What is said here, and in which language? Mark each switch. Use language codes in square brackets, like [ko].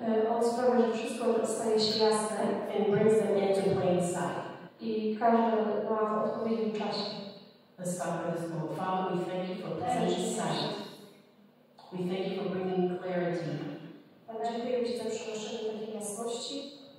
[pl] On sprawia, że wszystko staje się jasne. [en] And brings them into plain sight. [pl] I każdy ma w odpowiednim czasie. [en] Let's start with this moment. Father, we thank you for such a sight. We thank you for bringing clarity. [pl] Panie, dziękujemy Ci za przynoszenie takiej jasności.